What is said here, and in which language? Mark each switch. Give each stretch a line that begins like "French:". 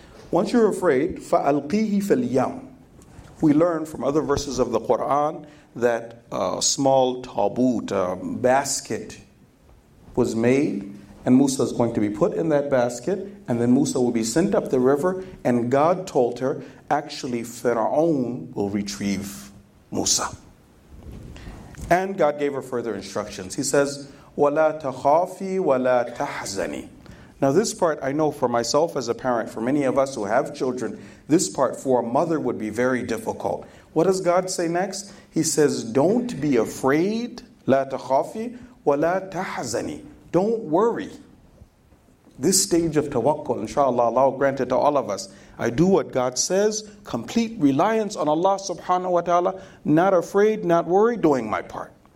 English: Once you're afraid,
Arabic: فَأَلْقِيهِ فِي الْيَمْ.
English: We learn from other verses of the Qur'an that a small tabut, a basket, was made, and Musa is going to be put in that basket, and then Musa will be sent up the river, and God told her, actually, Fir'aun will retrieve Musa. And God gave her further instructions. He says,
Arabic: وَلَا تَخَافِي وَلَا تَحْزَنِي.
English: Now this part, I know for myself as a parent, for many of us who have children, this part for a mother would be very difficult. What does God say next? He says, don't be afraid,
Arabic: لا تخافي ولا تحزني.
English: Don't worry. This stage of tawakkul, inshallah, Allah will grant it to all of us. I do what God says, complete reliance on Allah subhanahu wa ta'ala, not afraid, not worried, doing my part.